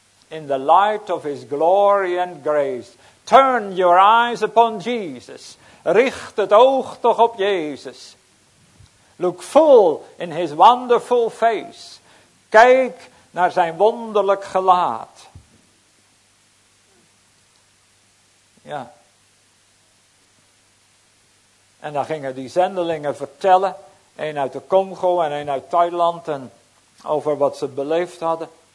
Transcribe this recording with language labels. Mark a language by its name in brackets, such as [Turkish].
[English] in the light of his glory and grace. Turn your eyes upon Jesus. [Dutch] Richt het oog toch op Jezus. [English] Look full in his wonderful face. [Dutch] Kijk naar zijn wonderlijk gelaat. Ja. En dan gingen die zendelingen vertellen, een uit de Congo en een uit Thailand, en over wat ze beleefd hadden.